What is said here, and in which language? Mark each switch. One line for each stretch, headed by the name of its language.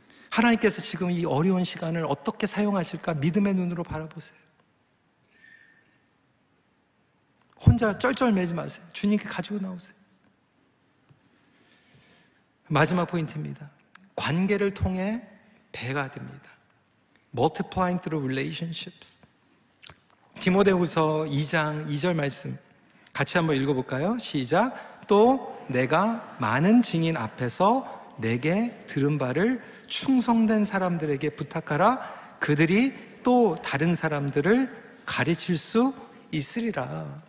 Korean: 하나님께서 지금 이 어려운 시간을 어떻게 사용하실까 믿음의 눈으로 바라보세요. 혼자 쩔쩔매지 마세요. 주님께 가지고 나오세요. 마지막 포인트입니다. 관계를 통해 배가 됩니다.
English: Multiplying through relationships.
Korean: 디모데후서 2장 2절 말씀 같이 한번 읽어볼까요? 시작. 또 내가 많은 증인 앞에서 내게 들은 바를 충성된 사람들에게 부탁하라. 그들이 또 다른 사람들을 가르칠 수 있으리라.